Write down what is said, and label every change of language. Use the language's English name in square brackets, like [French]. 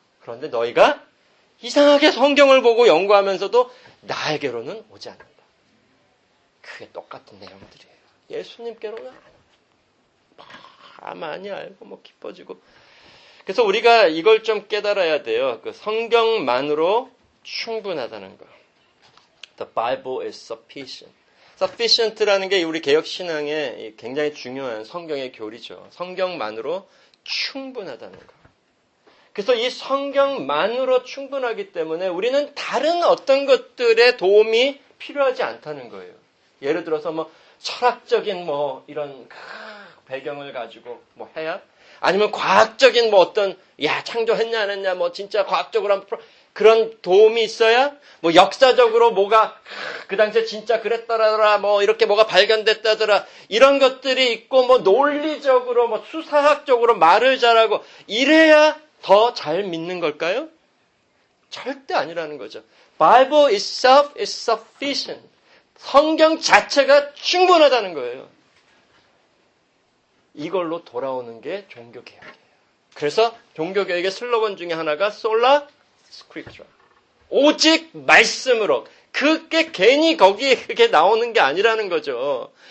[Korean] 그런데 너희가 이상하게 성경을 보고 연구하면서도 나에게로는 오지 않는다. 그게 똑같은 내용들이에요. 예수님께로는 안 온다. 다 많이 알고 뭐 기뻐지고. 그래서 우리가 이걸 좀 깨달아야 돼요. 그 성경만으로 충분하다는 거. [English] The Bible is sufficient. [Korean] Sufficient라는 게 우리 개혁신앙에 굉장히 중요한 성경의 교리죠. 성경만으로 충분하다는 거. 그래서 이 성경만으로 충분하기 때문에 우리는 다른 어떤 것들의 도움이 필요하지 않다는 거예요. 예를 들어서 뭐 철학적인 뭐 이런 배경을 가지고 뭐 해야 아니면 과학적인 뭐 어떤 야 창조했냐 안 했냐 뭐 진짜 과학적으로 한번 그런 도움이 있어야 뭐 역사적으로 뭐가 그 당시에 진짜 그랬다더라 뭐 이렇게 뭐가 발견됐다더라 이런 것들이 있고 뭐 논리적으로 뭐 수사학적으로 말을 잘하고 이래야 더 잘 믿는 걸까요? 절대 아니라는 거죠. [English] Bible itself is sufficient. [Korean] 성경 자체가 충분하다는 거예요. 이걸로 돌아오는 게 종교개혁이에요. 그래서 종교개혁의 슬로건 중에 하나가 Sola Scriptura. 오직 말씀으로. 그게 괜히 거기에 그게 나오는 게 아니라는 거죠.